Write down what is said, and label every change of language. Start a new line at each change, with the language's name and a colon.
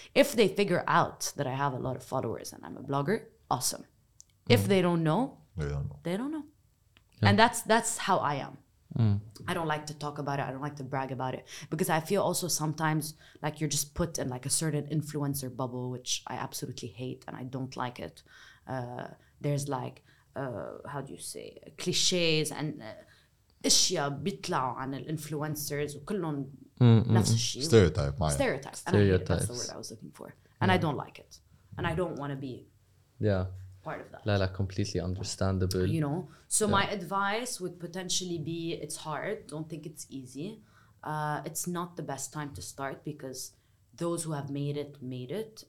English: If they figure out that I have a lot of followers and I'm a blogger, awesome. If they don't know, they don't know. Yeah. And that's how I am. I don't like to talk about it. I don't like to brag about it because I feel also sometimes like you're just put in like a certain influencer bubble, which I absolutely hate and I don't like it. There's like, how do you say, cliches and
Arabic: إشياء بيطلعوا عن الانفلونسرز وكلهم نفس الشيء.
English: Stereotypes. Stereotypes. That's the word I was looking for. And I don't like it. And I don't want to be part of that. Lala, completely understandable. You know? So my advice would potentially be, it's hard. Don't think it's easy. It's not the best time to start because those who have made it, made it.